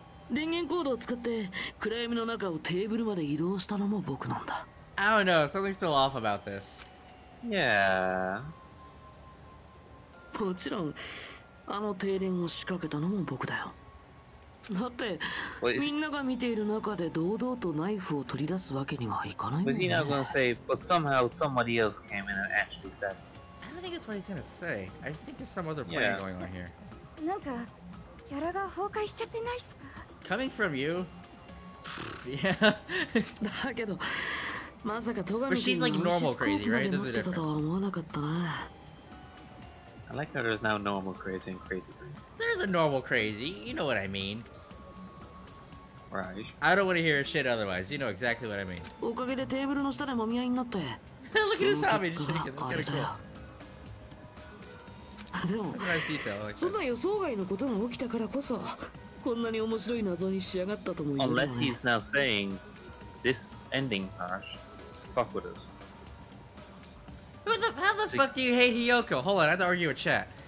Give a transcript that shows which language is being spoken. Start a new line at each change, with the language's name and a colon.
Japanese: 電源コードを使って暗闇の中をテーブルまで移動したのも僕なんだ。
English: I don't know, something's still off about this. Yeah.
Japanese: もちろん、あの停電を仕掛けたのも僕だよ。だって、みんなが見ている中で堂々とナイフを取り出すわけにはいかないもん
English: ね。Was he not gonna say, but somehow somebody else came in and actually said? I think that's what he's gonna say. I think there's some other plan going on here.
Japanese: なんかキャラが崩壊しちゃってないっすか?
English: Coming from you? Yeah.
Japanese: だけど、まさか戸上君が虫コープまで持ってたとは思わなかったな。
English: I like how there's now normal crazy and crazy. There's a normal crazy. You know what I mean. Right. I don't want to hear shit otherwise. You know exactly what I mean.
Japanese: おかげでテーブルの下でもみ合いになって。
English: Look at this hobby. Just shaking. That's kind of cool.
Japanese: でも、そんな予想外のことが起きたからこそ、こんなに面白い謎に仕上がったと思います。
English: Unless he's now saying this ending part, fuck with us. Who the, how the fuck do you hate Hiyoko? Hold on, I have to argue with chat.